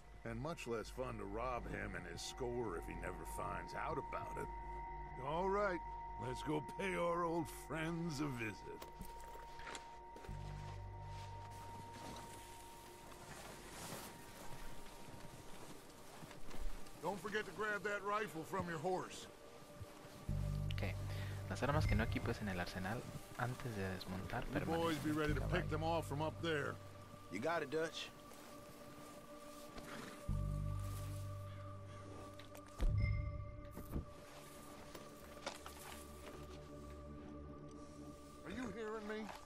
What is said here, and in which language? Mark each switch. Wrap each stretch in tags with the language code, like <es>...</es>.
<en>And much less fun to rob him and his score if he never finds out about it. All right. Let's go pay our old friends a visit. Don't forget to grab that rifle from your horse. Okay.</en> <es>Las armas que no equipes en el arsenal antes de desmontar permanecen.</es> <en>You boys be ready to pick them off from up there. You got it, Dutch. Are you hearing me?</en>